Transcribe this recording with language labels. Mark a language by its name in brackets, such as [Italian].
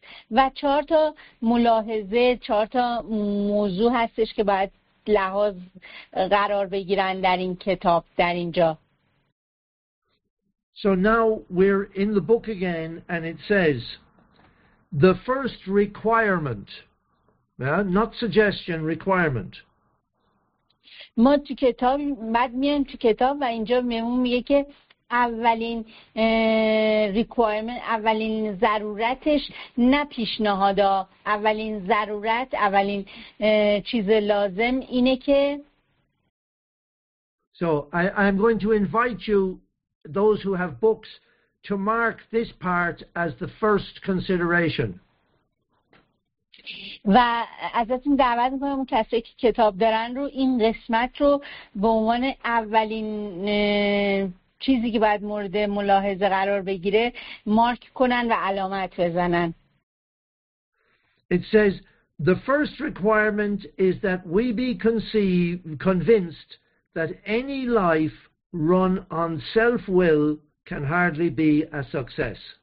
[Persian] و چهار تا ملاحظه، چهار تا موضوع هستش که باید لحاظ قرار بگیرن در این کتاب در اینجا. [English] So now we're in the book again and it says the first requirement, not suggestion, requirement. [Persian] ما تو کتاب بعد میایم تو کتاب و اینجا مهمون میگه که اولین requirement، اولین ضرورتش نه پیشنهادا، اولین ضرورت، اولین چیز لازم اینه که. [English] So I'm going to invite you, those who have books, to mark this part as the first consideration. [Persian] و ازتون دعوت میکنم کسایی که کتاب دارن رو این قسمت رو به عنوان اولین چیزی که باید مورد ملاحظه قرار بگیره مارک کنن و علامت بزنن. [English] It says the first requirement is that we be convinced that any life run on self-will can hardly be a success.